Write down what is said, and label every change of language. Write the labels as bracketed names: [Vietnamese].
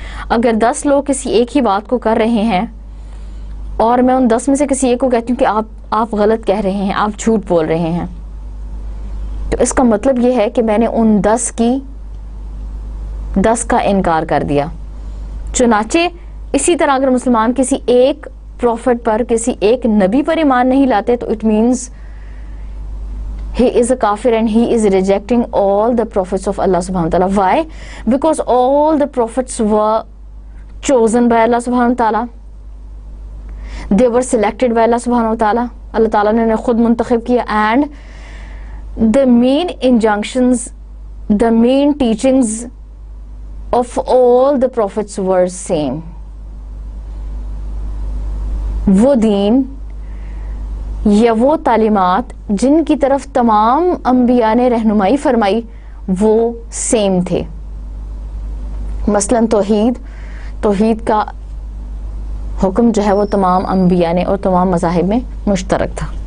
[Urdu] اگر 10 لوگ کسی ایک ہی بات کو کر رہے ہیں اور میں ان 10 میں سے کسی ایک کو کہتی ہوں کہ آپ غلط کہہ رہے ہیں, آپ جھوٹ بول رہے ہیں, تو اس کا مطلب یہ ہے کہ میں نے ان 10 کی 10 کا انکار کر دیا. چنانچہ اسی طرح اگر مسلمان کسی ایک پروفٹ پر, کسی ایک نبی پر ایمان نہیں لاتے, تو [English] it means he is a kafir and he is rejecting all the prophets of Allah subhanahu wa ta'ala. Why? Because all the prophets were chosen by Allah subhanahu wa ta'ala. They were selected by Allah subhanahu wa ta'ala. [Urdu] Allah ta'ala ne unhe khud muntakhib kiya. [English] And the main injunctions, the main teachings of all the prophets were same. [Urdu] Wo deen, یا وہ تعلیمات جن کی طرف تمام انبیاء نے رہنمائی فرمائی وہ سیم تھے. مثلا توحید, توحید کا حکم جو ہے وہ تمام انبیاء نے اور تمام مذاہب میں مشترک تھا.